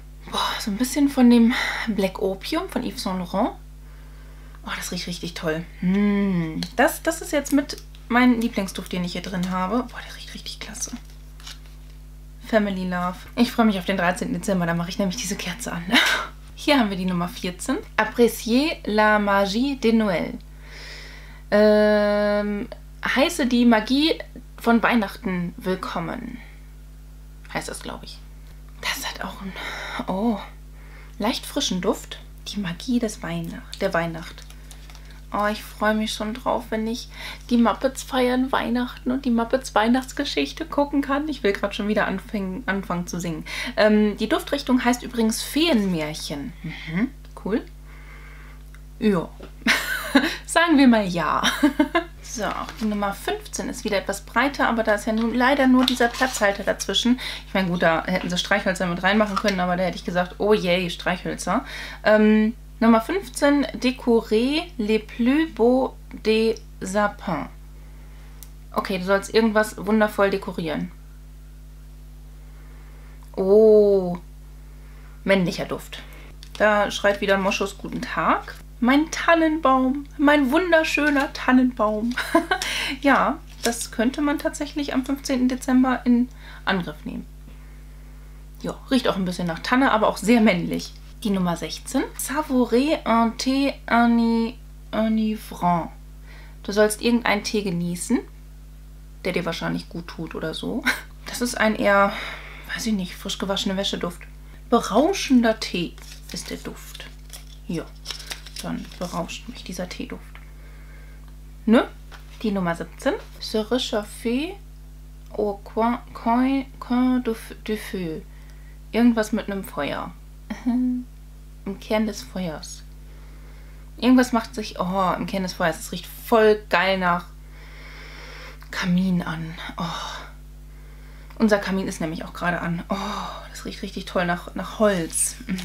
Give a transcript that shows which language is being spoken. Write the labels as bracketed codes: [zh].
[de] Boah, so ein bisschen von dem Black Opium von Yves Saint Laurent. Oh, das riecht richtig toll. Das ist jetzt mit meinem Lieblingsduft, den ich hier drin habe. Boah, der riecht richtig klasse. Family Love. Ich freue mich auf den 13. Dezember, da mache ich nämlich diese Kerze an. Hier haben wir die Nummer 14. [fr] Apprécier la magie de Noël. [de] Heiße die Magie von Weihnachten willkommen. Heißt das, glaube ich. Das hat auch einen, oh, leicht frischen Duft. Die Magie des der Weihnacht. Oh, ich freue mich schon drauf, wenn ich die Muppets feiern Weihnachten und die Muppets Weihnachtsgeschichte gucken kann. Ich will gerade schon wieder anfangen zu singen. Die Duftrichtung heißt übrigens Feenmärchen. Mhm, cool. Ja. Sagen wir mal ja. So, die Nummer 15 ist wieder etwas breiter, aber da ist ja nun leider nur dieser Platzhalter dazwischen. Ich meine, gut, da hätten sie Streichhölzer mit reinmachen können, aber da hätte ich gesagt, oh yay, Streichhölzer. Nummer 15, [fr] décorer les plus beaux des sapins. [de] Okay, du sollst irgendwas wundervoll dekorieren. Oh, männlicher Duft. Da schreit wieder Moschus guten Tag. Mein Tannenbaum, mein wunderschöner Tannenbaum. Ja, das könnte man tatsächlich am 15. Dezember in Angriff nehmen. Ja, riecht auch ein bisschen nach Tanne, aber auch sehr männlich. Die Nummer 16. [fr] Savourer un thé enivrant. [de] Du sollst irgendeinen Tee genießen, der dir wahrscheinlich gut tut oder so. Das ist ein eher, weiß ich nicht, frisch gewaschener Wäscheduft. Berauschender Tee ist der Duft. Ja. Dann berauscht mich dieser Teeduft. Ne? Die Nummer 17. [fr] Se réchauffer au coin du feu. [de] Irgendwas mit einem Feuer. Im Kern des Feuers. Irgendwas macht sich... Oh, im Kern des Feuers. Es riecht voll geil nach Kamin an. Oh. Unser Kamin ist nämlich auch gerade an. Oh, das riecht richtig toll nach Holz.